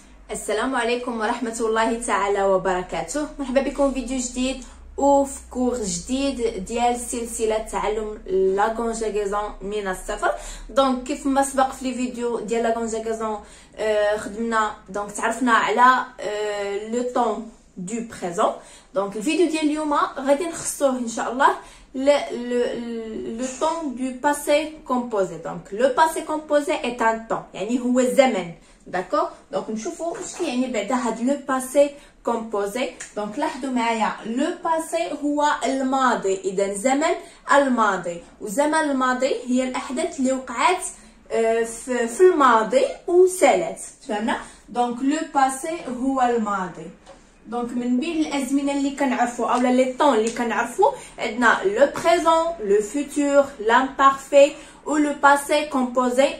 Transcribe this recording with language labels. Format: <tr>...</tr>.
<ar>السلام عليكم ورحمة الله تعالى وبركاته. مرحبا بكم في فيديو جديد وفي كور جديد ديال سلسلة تعلم لا كونجوغيزون من الصفر. دونك كيف ما سبق في الفيديو ديال لا كونجوغيزون خدمنا دونك تعرفنا على لو طون دو بريزون. دونك الفيديو ديال اليوم غادي نخصوه ان شاء الله</ar> <fr>le temps du passé composé. Donc le passé composé est un temps,</fr> <ar>يعني هو الزمن.</ar> <fr>D'accord. Donc nous voyons ce</fr> <ar>يعني بعد هذا</ar> <fr>le passé composé.</fr> <ar>Donc لاحظوا معايا le passé هو الماضي, اذا زمن الماضي, وزمن الماضي هي الاحداث اللي وقعت في الماضي وسالت, فهمنا؟</ar> <fr>Donc le passé</fr> <ar>هو الماضي. Donc, من بين الأزمنة اللي كنعرفو أو لا لي طون اللي كنعرفو عندنا لو بريزون, لو فوتور, لامبارفي أو لو باسي كومبوزي.</ar>